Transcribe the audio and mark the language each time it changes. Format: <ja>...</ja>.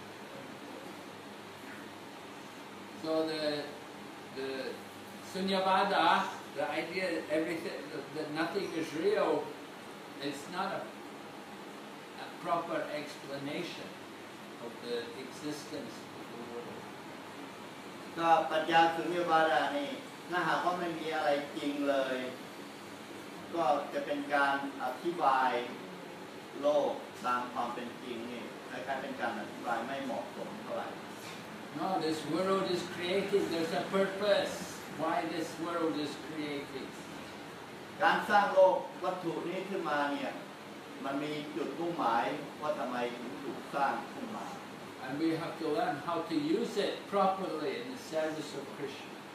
<th>ถึงแม้ว่าไม่จริงเราก็ไม่ต้องการให้โดนเอาหัวเราไปทดลองแล้วก็หรือว่าอะไรแข็งกว่ากัน</th> <en>So the sunyavada, the idea that everything that nothing is real, it's not a proper explanation of the existence of the world.</en> <th>ก็ปัญญาสุญญวาทานี่ ถ้าหากว่าไม่มีอะไรจริงเลยก็จะเป็นการอธิบายโลกตามความเป็นจริงนี่และการเป็นการอธิบายไม่เหมาะสมเท่าไหร่</th> <en>No, this world is created. There's a purpose why this world is created.</en> <th>การสร้างโลกวัตถุนี้ขึ้นมาเนี่ยมันมีจุดมุ่งหมายว่าทำไมถึงถูกสร้างขึ้นมา A</th> <en>And we have to learn how to use it properly in the service of Krishna.</en>